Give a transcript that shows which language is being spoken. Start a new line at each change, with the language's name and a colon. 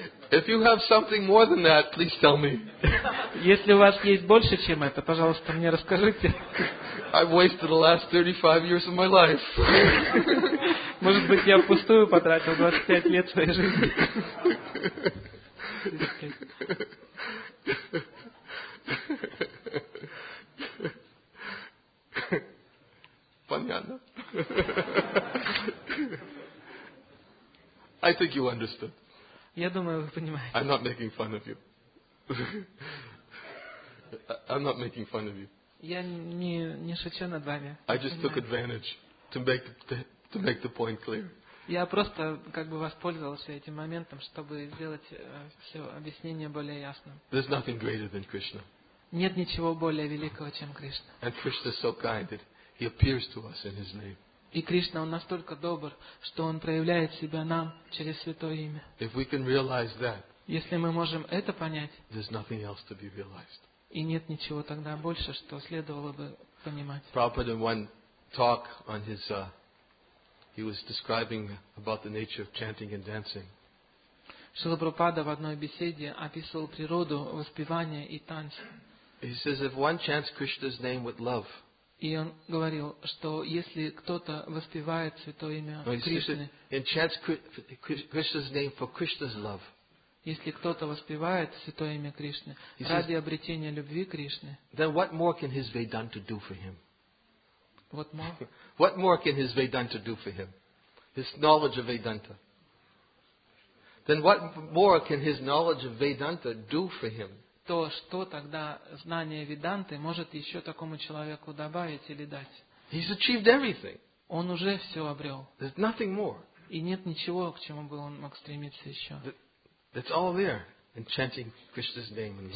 English: If you have something more than that, please tell me.
Russian: Если у вас есть больше, чем это, пожалуйста, мне расскажите.
English: I've wasted the last 35 years of my life.
Russian: Может быть, я впустую потратил 25 лет своей жизни. Понятно.
English: I think you understood.
Russian: Я думаю, вы понимаете.
English: I'm not making fun of you. I'm not making fun of you.
Russian: Я не шучу над вами.
English: I just took advantage to make the point clear.
Russian: Я просто как бы воспользовался этим моментом, чтобы сделать все объяснение более ясным.
English: There's nothing greater than Krishna.
Russian: Нет ничего более великого, чем Кришна.
English: And Krishna is so kind that he appears to us in his name.
Russian: И Кришна, он настолько добр, что он проявляет себя нам через святое имя.
English: If we can realize that,
Russian: если мы можем это понять,
English: there's nothing else to be realized.
Russian: И нет ничего тогда больше, что следовало бы понимать.
English: Prabhupada in one talk on his he was describing about the nature of chanting and dancing.
Russian: Шрила Прабхупада в одной беседе описывал природу воспевания и танца.
English: He says if one chants Krishna's name with love.
Russian: И он говорил, что если кто-то воспевает святое имя Кришны,
English: and chants Krishna's name for Krishna's love.
Russian: Если кто-то воспевает святое имя Кришны ради обретения любви Кришны,
English: then what more can his Vedanta do for him? What more? What more can his Vedanta do for him? His knowledge of Vedanta. Then what more can his knowledge of Vedanta do for him?
Russian: То, что тогда знание Веданты может еще такому человеку добавить или дать?
English: He's achieved everything.
Russian: Он уже все обрел.
English: There's nothing more.
Russian: И нет ничего, к чему бы он мог стремиться еще.
English: It's all there in chanting Krishna's name.